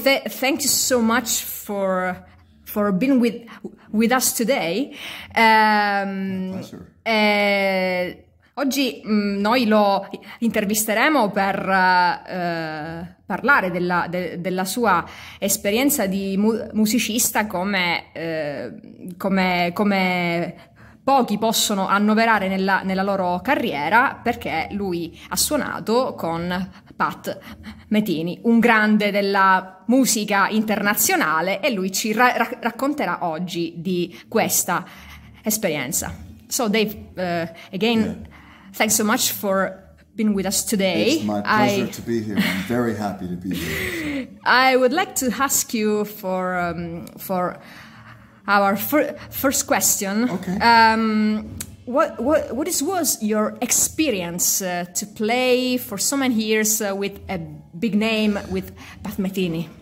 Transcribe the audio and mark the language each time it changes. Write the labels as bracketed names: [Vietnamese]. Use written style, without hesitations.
[English] Thank you so much for being with us today. Pleasure. [Italian] Oggi noi lo intervisteremo per parlare della sua esperienza di musicista come pochi possono annoverare nella loro carriera, perché lui ha suonato con Pat Metheny, un grande della musica internazionale, e lui ci racconterà oggi di questa esperienza. [English] So Dave, again... Yeah. Thanks so much for being with us today. It's my pleasure to be here. I'm very happy to be here. So. I would like to ask you for our first question. Okay. What was your experience to play for so many years with a big name, with Pat Metheny?